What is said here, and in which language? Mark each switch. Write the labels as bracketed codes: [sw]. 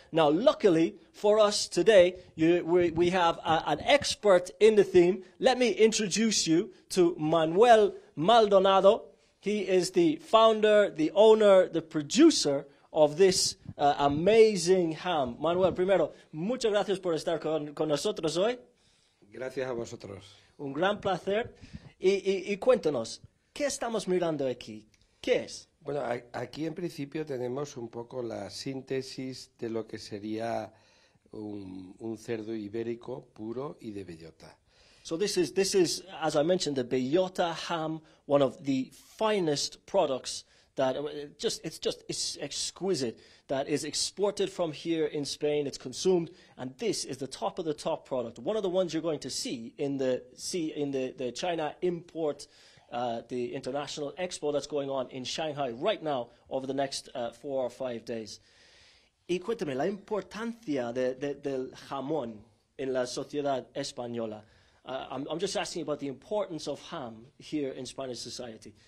[en] Now, luckily for us today, we have an expert in the theme. Let me introduce you to Manuel Maldonado. He is the founder, the owner, the producer of this amazing ham. [es] Manuel, primero, muchas gracias por estar con nosotros hoy. Gracias a vosotros. Un gran placer. Y cuéntanos, ¿qué estamos mirando aquí? ¿Qué es? Bueno, aquí en principio tenemos un poco la síntesis de lo que sería un cerdo ibérico puro y de bellota. [en] So this is, as I mentioned, the bellota ham, one of the finest products that it's exquisite, that is exported from here in Spain. It's consumed, and this is the top of the top product. One of the ones you're going to see in the China import. The International Expo that's going on in Shanghai right now over the next 4 or 5 days. [es] Y cuéntame la importancia del jamón en la sociedad española. [en] I'm just asking about the importance of ham here in Spanish society.